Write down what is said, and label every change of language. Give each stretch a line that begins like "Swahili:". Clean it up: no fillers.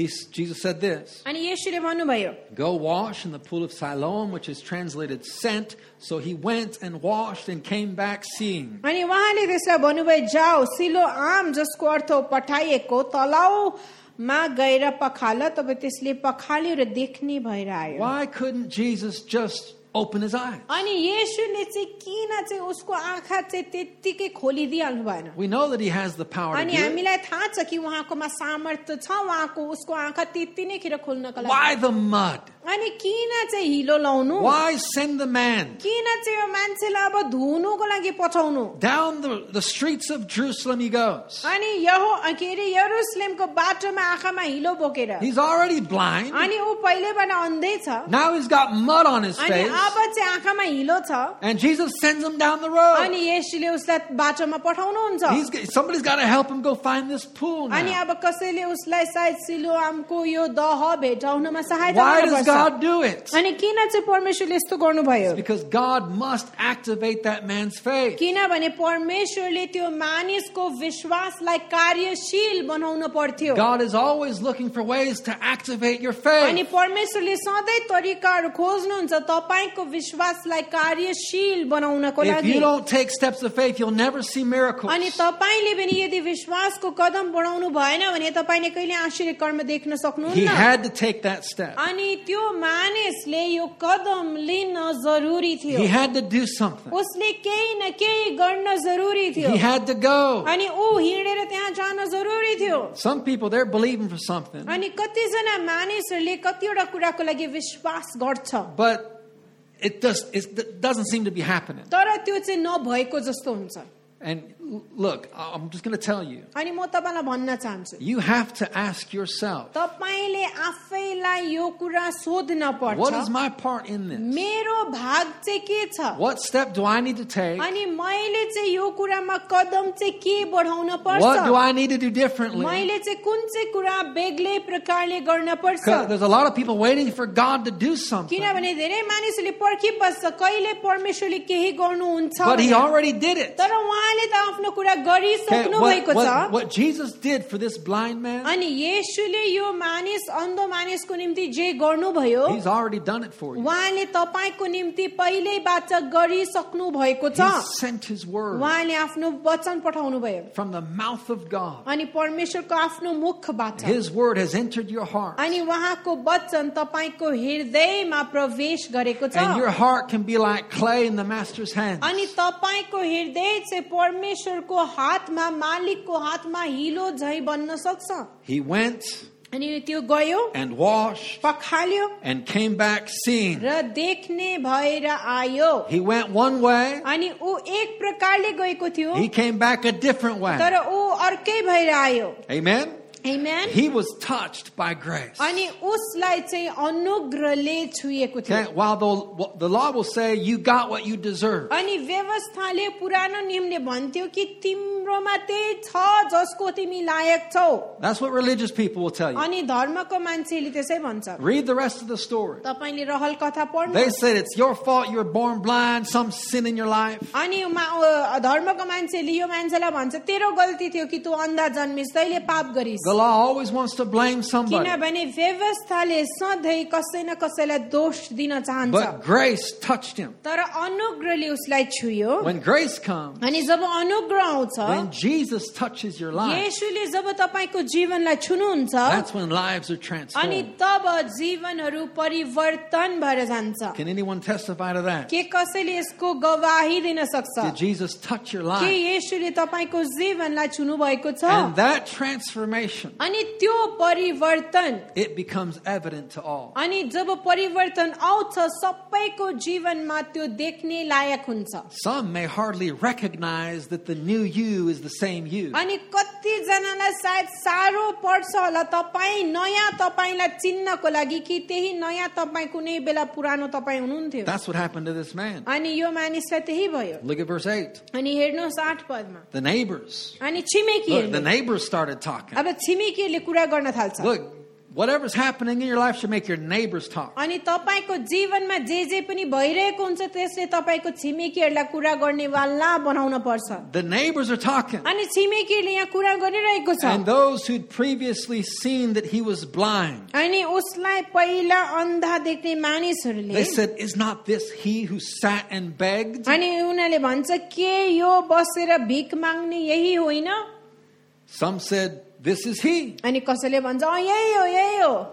English: Jesus said this. Go wash in the pool of Siloam, which is translated sent. So he went and washed and came back seeing.
Nepali: अनि वहाँले त्यसलाई भन्नुभयो जाओ सिलो आम जसको अर्थ पठाइएको तलाउ मा गएर पखाल तब त्यसले पखाल्यो र देख्ने भएर आयो.
English: Why couldn't Jesus just open his eyes?
Nepali: अनि येशूले चाहिँ किन चाहिँ उसको आँखा चाहिँ त्यतिकै खोलिदिनु भएन?
English: We know that he has the power to do.
Nepali: अनि हामीलाई थाहा छ कि उहाँकोमा सामर्थ्य छ, उहाँको उसको आँखा त्यति नै खेर खोल्नको लागि.
English: Why the mud?
Nepali: अनि किन चाहिँ हिलो लाउनु?
English: Why send the man?
Nepali: किन चाहिँ यो मान्छेलाई अब धुनुको लागि पठाउनु?
English: Down the streets of Jerusalem he goes.
Nepali: अनि यहो अकेले यरुशलेमको बाटोमा आँखामा हिलो बोकेर.
English: He's already blind.
Nepali: अनि ऊ पहिलेबाट अन्धै छ.
English: Now he's got mud on his face.
Nepali: अब चाहिँ आँखामा हिलो छ.
English: And Jesus sends him down the road.
Nepali: अनि येशूले उसलाई बाटोमा पठाउनुहुन्छ.
English: Somebody's got to help him go find this pool now.
Nepali: अनि अब कसैले उसलाई सायद सिलोआमको यो दह भेटाउनमा सहायता गर्नुपर्छ.
English: God do it.
Nepali: अनि किन चाहिँ परमेश्वरले यस्तो गर्नुभयो?
English: Because God must activate that man's faith.
Nepali: किनभने परमेश्वरले त्यो मानिसको विश्वासलाई कार्यशील बनाउन पर्थ्यो.
English: God is always looking for ways to activate your faith.
Nepali: अनि परमेश्वरले सधैँ तरिकाहरू खोज्नुहुन्छ तपाईको विश्वासलाई कार्यशील बनाउनको लागि.
English: If you don't take steps of faith, you'll never see miracles.
Nepali: अनि तपाईले पनि यदि विश्वासको कदम बढाउनु भएन भने तपाईले कहिले आशीर्वाद कर्म देख्न सक्नुहुन्न.
English: He had to take that step.
Nepali: अनि त्यो मानिसले यो कदम लिन जरुरी थियो.
English: He had to do something.
Nepali: उसले केही न केही गर्न जरुरी थियो.
English: He had to go.
Nepali: अनि ऊ हिँडेर त्यहाँ जान जरुरी थियो.
English: Some people they're believing for something.
Nepali: अनि कतिजना मानिसहरूले कतिवटा कुराको लागि विश्वास गर्छ.
English: But it doesn't seem to be happening.
Nepali: तर त्यो चाहिँ नभएको जस्तो हुन्छ.
English: And look, I'm just going to tell you.
Nepali: अनि म तपाईलाई भन्न चाहन्छु.
English: You have to ask yourself.
Nepali: तपाईले आफैलाई यो कुरा सोध्न पर्छ.
English: What is my part in this?
Nepali: मेरो भाग चाहिँ के छ?
English: What step do I need to take?
Nepali: अनि मैले चाहिँ यो कुरामा कदम चाहिँ के बढाउन पर्छ?
English: What do I need to do differently?
Nepali: मैले चाहिँ कुन चाहिँ कुरा बेग्लै प्रकारले गर्न पर्छ?
English: Because there's a lot of people waiting for God to do something.
Nepali: किनभने धेरै मानिसहरूले पर्खिबस्छ कहिले परमेश्वरले केही गर्नुहुन्छ.
English: But he already did it.
Nepali: तर उहाँले त आफ्नो कुरा गरिसक्नु भएको छ.
English: What Jesus did for this blind man?
Nepali: अनि येशूले यो मानिस अन्धो मानिसको निम्ति जे गर्नुभयो,
English: He's already done it for you.
Nepali: उहाँले तपाईको निम्ति पहिल्यै वाचक गरिसक्नु भएको छ.
English: He sent his word.
Nepali: उहाँले आफ्नो वचन पठाउनु भयो.
English: From the mouth of God.
Nepali: अनि परमेश्वरको आफ्नो मुखबाट.
English: His word has entered your heart.
Nepali: अनि उहाँको वचन तपाईको हृदयमा प्रवेश गरेको छ.
English: And your heart can be like clay in the master's hands.
Nepali: अनि तपाईको हृदय परमेश्वरको हातमा मालिकको हातमा हिलो झै बन्न सक्छ.
English: He went
Nepali: अनि त्यो गयो
English: and washed
Nepali: पखाल्यो
English: and came back seeing
Nepali: र देख्ने भएर आयो.
English: He went one way
Nepali: अनि ऊ एक प्रकारले गएको थियो.
English: He came back a different way
Nepali: तर ऊ अर्कै भएर आयो.
English: Amen. Amen. He was touched by grace.
Nepali: अनि उसलाई चाहिँ अनुग्रहले छुएको थियो.
English: Okay, while the law will say you got what you deserve.
Nepali: अनि व्यवस्थाले पुरानो नियमले भन्थ्यो कि तिम्रोमा त्यही छ जसको तिमी लायक छौ.
English: That's what religious people will tell you.
Nepali: अनि धर्मको मान्छेले त्यसै भन्छ.
English: Read the rest of the story.
Nepali: तपाईले रहल कथा पढ्नु.
English: They said it's your fault you're born blind, some sin in your life.
Nepali: अनि धर्मको मान्छेले यो मान्छेलाई भन्छ तेरो गल्ती थियो कि तू अन्धा जन्मिस तैले पाप गरिस.
English: The law always wants to blame somebody.
Nepali: किनभने व्यवस्थाले सधैं कसै न कसैलाई दोष दिन चाहन्छ.
English: But grace touched him.
Nepali: तर अनुग्रहले उसलाई छुयो.
English: When grace comes.
Nepali: अनि जब अनुग्रह आउँछ.
English: When Jesus touches your life.
Nepali: येशूले जब तपाईको जीवनलाई छुनुहुन्छ.
English: That's when lives are transformed.
Nepali: अनि तब जीवनहरू परिवर्तन भएर जान्छ.
English: Can anyone testify to that?
Nepali: के कसैले यसको गवाही दिन सक्छ?
English: Did Jesus touch your life?
Nepali: के येशूले तपाईको जीवनलाई छुनु भएको छ?
English: And that transformation.
Nepali: अनि त्यो परिवर्तन.
English: It becomes evident to all.
Nepali: अनि जब परिवर्तन आउँछ सबैको जीवनमा त्यो देख्ने लायक हुन्छ.
English: Some may hardly recognize that the new you is the same you.
Nepali: अनि कति जनालाई सायद सारो पर्छ होला तपाई नयाँ तपाईलाई चिन्नको लागि कि त्यही नयाँ तपाई कुनै बेला पुरानो तपाई हुनुहुन्थ्यो.
English: That's what happened to this man.
Nepali: अनि यो मानिसलाई त्यही भयो.
English: Look at verse 8.
Nepali: अनि हेर्नुस 8 पदमा.
English: The neighbors.
Nepali: अनि छिमेकीहरू.
English: The neighbors started talking. Look, whatever's happening in your life should make your neighbors talk.
Nepali: अनि तपाईको जीवनमा जे जे पनि भइरहेको हुन्छ त्यसले तपाईको छिमेकीहरूलाई कुरा गर्नेवाला बनाउन पर्छ.
English: The neighbors are talking.
Nepali: अनि छिमेकीहरूले यहाँ कुरा गरिरहेको छ.
English: And those who'd previously seen that he was blind.
Nepali: अनि उसलाई पहिला अन्धा देख्ने मानिसहरूले.
English: They said, "Is not this he who sat and begged?"
Nepali: अनि उनीहरूले भन्छ के यो बसेर भिक माग्ने यही होइन?
English: Some said, "This is he."
Nepali: अनि कसले भन्छ अ यही हो यही हो.